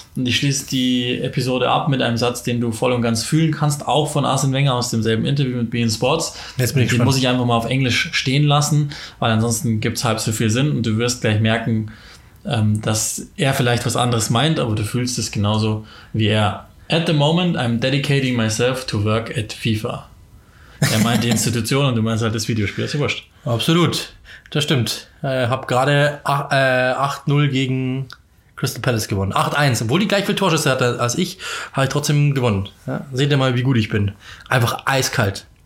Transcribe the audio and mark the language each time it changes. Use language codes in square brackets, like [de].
[de] Und ich schließe die Episode ab mit einem Satz, den du voll und ganz fühlen kannst, auch von Arsène Wenger aus demselben Interview mit beIN Sports. Jetzt bin ich gespannt. Muss ich einfach mal auf Englisch stehen lassen, weil ansonsten gibt es halb so viel Sinn und du wirst gleich merken, dass er vielleicht was anderes meint, aber du fühlst es genauso wie er. [en] At the moment, I'm dedicating myself to work at FIFA. [de] Er meint die Institution und du meinst halt das Videospiel, ist ja wurscht. Absolut, das stimmt. Hab gerade 8-0 gegen Crystal Palace gewonnen. 8-1, obwohl die gleich viel Torschüsse hatte als ich, habe ich trotzdem gewonnen. Ja? Seht ihr mal, wie gut ich bin. Einfach eiskalt.